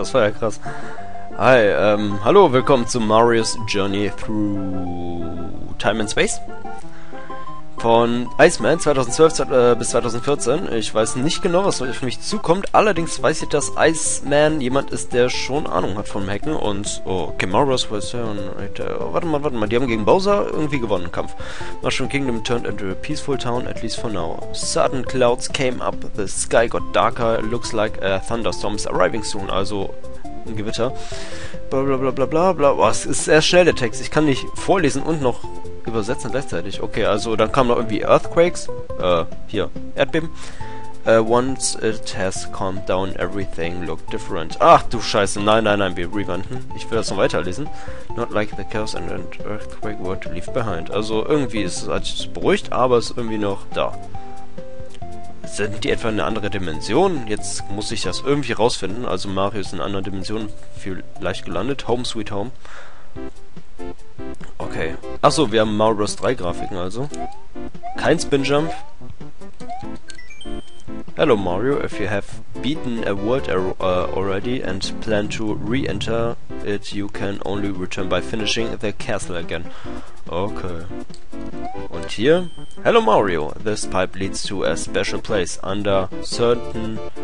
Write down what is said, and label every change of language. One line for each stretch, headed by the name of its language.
German: Das war ja krass. Hi, hallo, willkommen zu Mario's Journey Through Time and Space. Von Iceman 2012 bis 2014. Ich weiß nicht genau, was auf mich zukommt. Allerdings weiß ich, dass Iceman jemand ist, der schon Ahnung hat vom Hacken. Und, oh, okay, Mario's was here. Warte mal. Die haben gegen Bowser irgendwie gewonnen, Kampf.
English: Mushroom Kingdom turned into a peaceful town, at least for now. Sudden clouds came up, the sky got darker, looks like a thunderstorm is arriving soon.
German: Also, ein Gewitter. Blablabla. Oh, es ist sehr schnell, der Text. Ich kann nicht vorlesen und noch übersetzen gleichzeitig. Okay, also dann kamen noch irgendwie Earthquakes. Hier, Erdbeben.
English: Once it has calmed down, everything looked different.
German: Ach du Scheiße, nein, wir rewinden. Ich will das noch weiterlesen.
English: Not like the chaos and earthquake were to leave behind.
German: Also irgendwie ist es alles beruhigt, aber es ist irgendwie noch da. Sind die etwa in eine andere Dimension? Jetzt muss ich das irgendwie rausfinden. Also Mario ist in einer anderen Dimension vielleicht gelandet.
English: Home Sweet Home.
German: Okay. Achso, wir haben Mario Bros. 3 Grafiken also. Kein Spinjump.
English: Hello Mario, if you have beaten a world already and plan to re-enter it, you can only return by finishing the castle again. Okay.
German: Und hier.
English: Hello Mario, this pipe leads to a special place under certain...